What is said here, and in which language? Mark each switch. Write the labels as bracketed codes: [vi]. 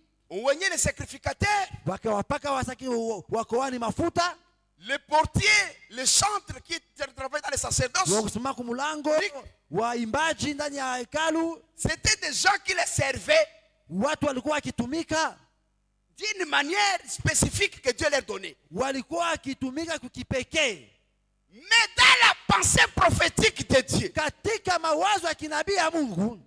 [fr] voyait les sacrificateurs, les portiers, les chantres qui travaillaient dans les sacerdoces. [sw] Waimbaji ndani ya hekalu, [fr] c'était des gens qui les servaient. [sw] Watu walikuwa wakitumika [fr] d'une manière spécifique que Dieu leur donnait. [sw] Walikuwa wakitumika kwa kipekee. [fr] Mais dans la pensée prophétique de Dieu, [sw] katika mawazo ya kinabii ya Mungu,